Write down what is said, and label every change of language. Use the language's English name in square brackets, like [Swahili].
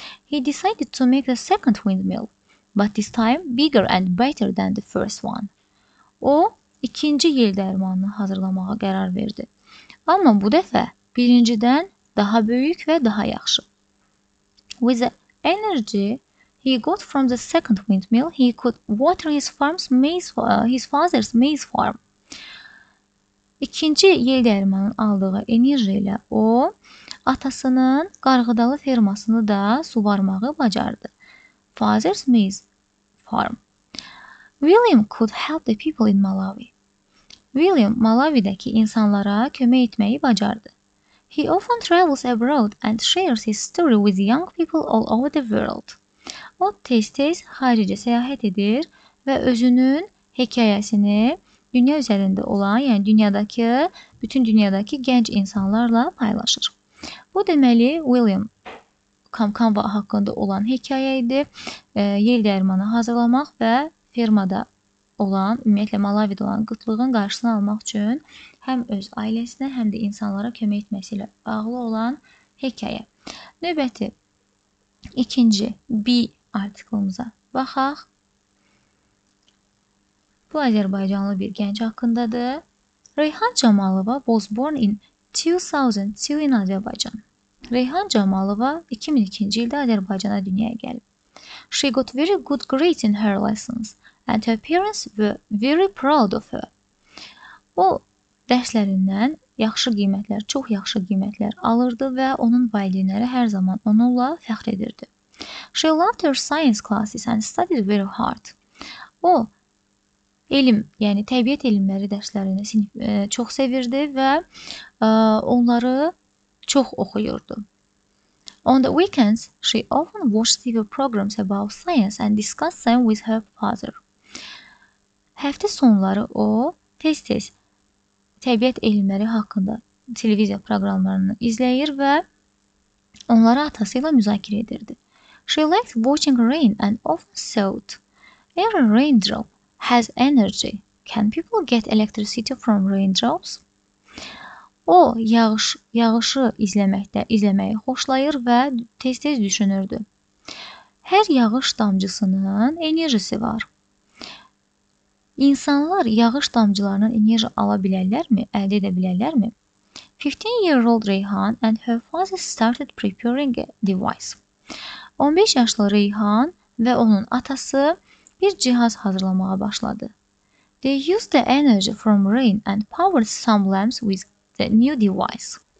[English] He decided to make a second windmill, but this time bigger and better than the first one. [Azerbaijani] O, ikinci yel dəyirmanını hazırlamağa qərar verdi. Amma bu dəfə birincidən daha böyük və daha yaxşı. [English] With the energy he got from the second windmill, he could water his father's maize farm. [Azerbaijani] İkinci yel dəyirmanın aldığı enerji ilə o, atasının qarğıdalı fermasını da su varmağı bacardı. [English] Father's maize farm. William could help the people in Malawi. [Azerbaijani] William Malawi'dəki insanlara kömək etməyi bacardı. [English] He often travels abroad and shares his story with young people all over the world. [Azerbaijani] O, tez-tez xaricə səyahət edir və özünün hekayəsini dünya üzərində olan, yəni bütün dünyadakı gənc insanlarla paylaşır. Bu deməli, William Kamkamba haqqında olan hekayə idi. Yel dəyirmanı hazırlamaq və fermada olan, ümumiyyətlə Malavi'da olan qıtlığın qarşısını almaq üçün həm öz ailəsinə, həm də insanlara kömək etməsi ilə bağlı olan hekayə. Növbəti, ikinci B artikulumuza baxaq. Bu, Azərbaycanlı bir gənc haqqındadır. [English] Reyhan Camalova was born in 2002 in Azərbaycan. [Azerbaijani] Reyhan Camalova 2002-ci ildə Azərbaycana dünyaya gəlib. [English] She got very good grades in her lessons and her parents were very proud of her. [Azerbaijani] O, dərslərindən çox yaxşı qiymətlər alırdı və onun valideynləri hər zaman onunla fəxr edirdi. [English] She loved her science classes and studied very hard. [Azerbaijani] O, elm, yəni təbiət elmləri dərslərini çox sevirdi və onları çox oxuyurdu. [English] On the weekends, she often watched TV programs about science and discussed them with her father. [Azerbaijani] Həftə sonları o, tez-tez təbiət elmləri haqqında televiziya proqramlarını izləyir və onları atası ilə müzakirə edirdi. [English] She liked watching rain and often thought, every raindrop has energy. Can people get electricity from raindrops? [Azerbaijani] O, yağışı izləməyi xoşlayır və tez-tez düşünürdü. Hər yağış damcısının enerjisi var. İnsanlar yağış damcılarının enerji ala bilərlərmi, əldə edə bilərlərmi? [English] 15-year-old Reyhan and her father started preparing a device. [Azerbaijani] 15 yaşlı Reyhan və onun atası bir cihaz hazırlamağa başladı. [English] They used the energy from rain and powered some lamps with the new device.